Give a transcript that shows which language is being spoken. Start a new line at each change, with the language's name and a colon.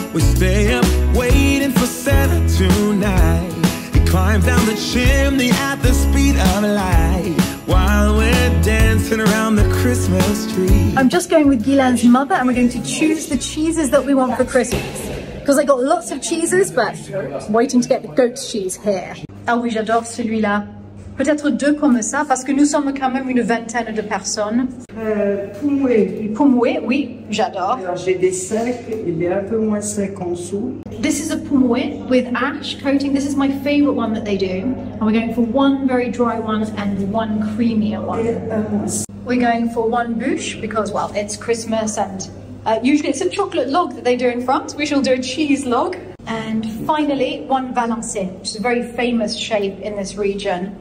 English: We stay up waiting for Santa tonight. He climbs down the chimney at the speed of light. While we're dancing around the Christmas tree. I'm just going with Guilin's mother, and we're going to choose the cheeses that we want for Christmas. Because I got lots of cheeses, but I'm waiting to get the goat's cheese here.
French: Ah oui, j'adore celui-là. Peut-être deux comme ça, parce que nous sommes quand même une vingtaine de personnes. Poumoué. Poumoué, oui, j'adore. Alors j'ai des secs, il est un peu moins sec en dessous.
English: This is a poumoué with ash coating. This is my favorite one that they do. And we're going for one very dry one and one creamier one. We're going for one bûche because, well, it's Christmas and usually it's a chocolate log that they do in France. We shall do a cheese log. And finally, one valancé, which is a very famous shape in this region.